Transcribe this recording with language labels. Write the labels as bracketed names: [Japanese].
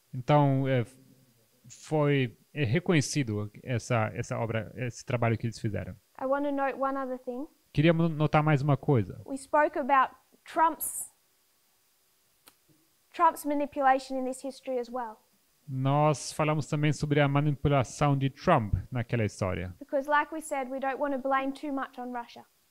[Portuguese] Então foi reconhecido essa obra, esse trabalho que eles fizeram. [English] I want to note one other thing. [Portuguese] Queria notar mais uma coisa. [English] We spoke about Trump's manipulation in this history as well. [Portuguese] Nós falamos também sobre a manipulação de Trump naquela história. [English] Because, like we said, we don't want to blame too much on Russia.